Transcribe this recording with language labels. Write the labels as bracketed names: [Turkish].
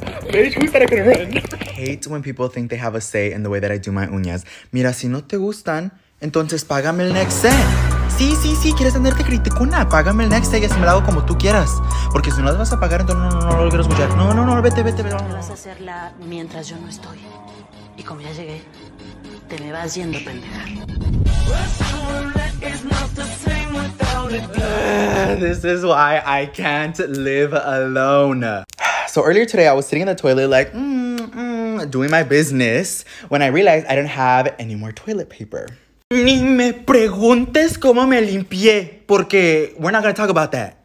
[English] Bitch, who said I couldn't run? Hate when people think they have a say in the way that I do my uñas. [Spanish] Mira, si no te gustan, entonces págame el [English] next set. [Spanish] Sí, sí, sí, quieres andarte criticona. Págame el [English] next set [Spanish] y así me la hago como tú quieras. Porque si no las vas a pagar, entonces no lo quiero escuchar. No, no, no, vete, vete, vete. Vas a hacerla mientras yo no estoy. Y como ya llegué, te me vas yendo, pendeja. [English] This is why I can't live alone. So earlier today, I was sitting in the toilet like, doing my business, when I realized I didn't have any more toilet paper. [Spanish] Ni me preguntes cómo me limpié, porque [English] we're not gonna talk about that.